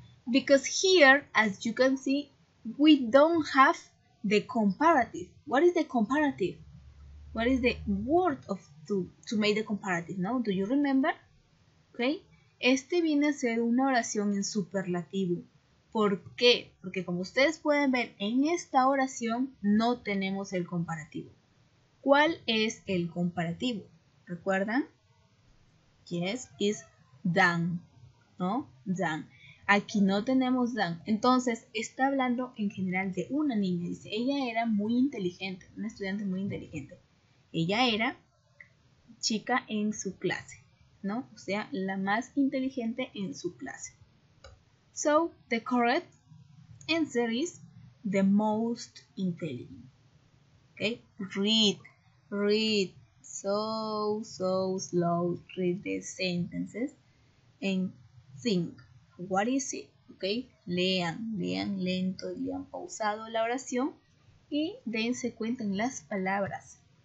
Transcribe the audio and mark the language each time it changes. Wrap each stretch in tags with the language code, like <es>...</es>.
<en>Because here, as you can see, we don't have the comparative. What is the comparative? What is the word of to make the comparative? No? Do you remember? Okay?</en> <es>Este viene a ser una oración en superlativo. ¿Por qué? Porque como ustedes pueden ver, en esta oración no tenemos el comparativo. ¿Cuál es el comparativo? ¿Recuerdan?</es> <en>Yes, is than,</en> <es>¿no? Than. Aquí no tenemos than. Entonces, está hablando en general de una niña. Dice, ella era muy inteligente, una estudiante muy inteligente. Ella era chica en su clase, ¿no? O sea, la más inteligente en su clase.</es> <en>So, the correct answer is the most intelligent. Okay? Read so slow, read the sentences and think. What is it? Okay?</en> <es>Lean lento, lean pausado la oración y dense cuenta en las palabras.</es>